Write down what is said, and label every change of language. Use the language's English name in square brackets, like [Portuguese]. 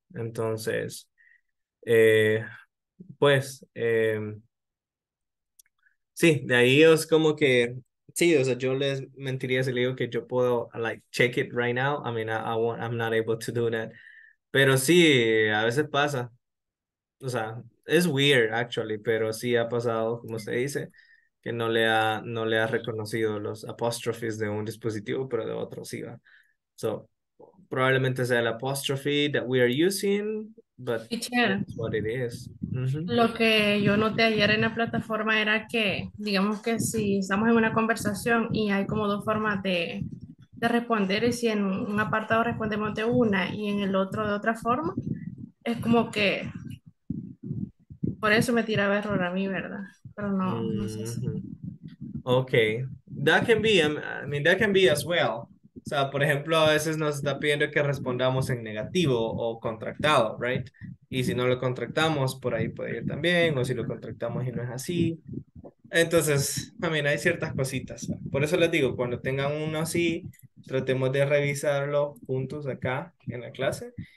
[Spanish] Entonces, sí, de ahí es como que sí, o sea, yo les mentiría si le digo que yo puedo, [English] like, check it right now. I mean, I'm not able to do that. [Spanish] Pero sí, a veces pasa. O sea, [English] it's weird, actually, [Spanish] pero sí ha pasado, como se dice, que no le ha reconocido los apostrophes de un dispositivo, pero de otro sí va. So, probablemente sea el apostrophe [English] that we are using, But teacher, that's what it is. [Spanish] Lo que yo noté ayer en la plataforma era que, digamos que si estamos en una conversación y hay como dos formas de responder, y si en un apartado respondemos de una y en el otro de otra forma, es como que por eso me tiraba error a mí, ¿verdad? Pero no, no sé si... [English] Okay, that can be, I mean, that can be as well. [Spanish] O sea, por ejemplo, a veces nos está pidiendo que respondamos en negativo o contractado, [English] right? [Spanish] Y si no lo contractamos, por ahí puede ir también, o si lo contractamos y no es así. Entonces, también hay ciertas cositas. Por eso les digo, cuando tengan uno así, tratemos de revisarlo juntos acá en la clase.